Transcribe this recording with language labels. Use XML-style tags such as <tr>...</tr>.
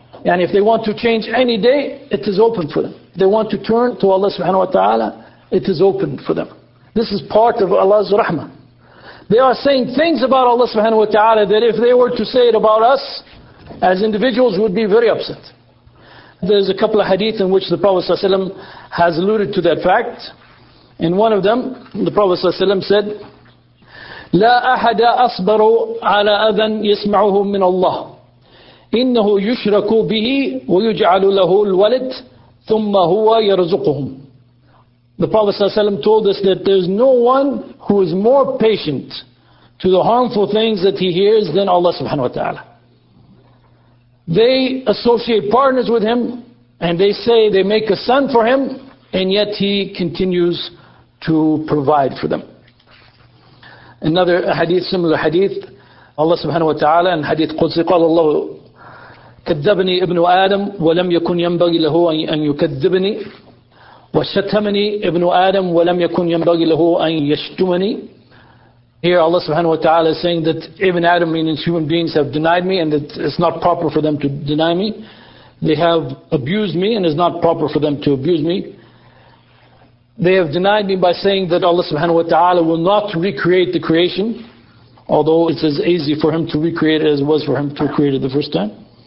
<en>And if they want to change any day, it is open for them. If they want to turn to Allah subhanahu wa ta'ala, it is open for them. This is part of Allah's rahmah. They are saying things about Allah subhanahu wa ta'ala that if they were to say it about us as individuals, would be very upset. There's a couple of hadith in which the Prophet ﷺ has alluded to that fact. In one of them, the Prophet ﷺ said,</en> <ar>لَا أَحَدَ أَصْبَرُ عَلَىٰ أَذًا يَسْمَعُهُ مِّنَ اللَّهِ إِنَّهُ يُشْرَكُ بِهِ وَيُجْعَلُ لَهُ الْوَلِدِ ثُمَّ هُوَ يَرْزُقُهُمْ.</ar> <en>The Prophet ﷺ told us that there's no one who is more patient to the harmful things that he hears than Allah subhanahu wa ta'ala. They associate partners with him, and they say they make a son for him, and yet he continues to provide for them. Another hadith, similar hadith, Allah subhanahu wa ta'ala, and hadith Qudsi,</en> <ar>قال الله كذبني ابن آدم ولم يكن ينبغي له أن يكذبني وشتمني ابن آدم ولم يكن ينبغي له أن يشتمني.</ar> <en>Here Allah subhanahu wa ta'ala is saying that Ibn Adam, meaning human beings, have denied me and that it's not proper for them to deny me. They have abused me and it's not proper for them to abuse me. They have denied me by saying that Allah subhanahu wa ta'ala will not recreate the creation, although it's as easy for him to recreate it as it was for him to create it the first time.</en>